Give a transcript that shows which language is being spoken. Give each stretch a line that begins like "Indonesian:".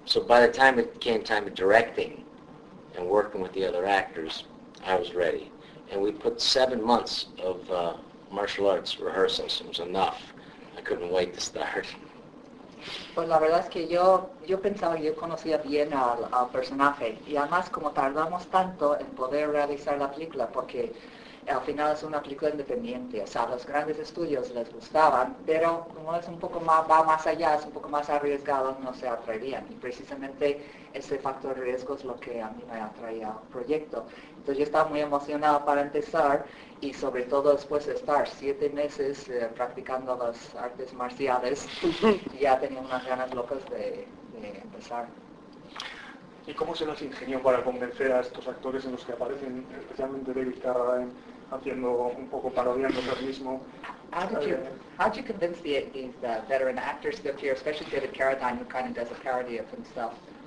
English: So by the time it came time of directing and working with the other actors, I was ready. And we put 7 months of martial arts rehearsals, and it was enough. I couldn't wait to start.
Spanish: Pues la verdad es que yo pensaba que yo conocía bien al personaje y además como tardamos tanto en poder realizar la película porque al final es una película independiente, o sea, los grandes estudios les gustaban, pero como es un poco más, va más allá, es un poco más arriesgado, no se atrevían y precisamente ese factor de riesgo es lo que a mí me atraía al proyecto. Entonces yo estaba muy emocionada para empezar y sobre todo después de estar 7 meses practicando las artes marciales, ya tenía unas ganas locas de empezar. ¿Y cómo se las ingenió para convencer a estos actores en los que aparecen, especialmente David Carradine, haciendo un poco parodiándose a sí mismo?
English: How did you convince these veteran actors to appear, especially David Carradine, who kind of does a parody of himself?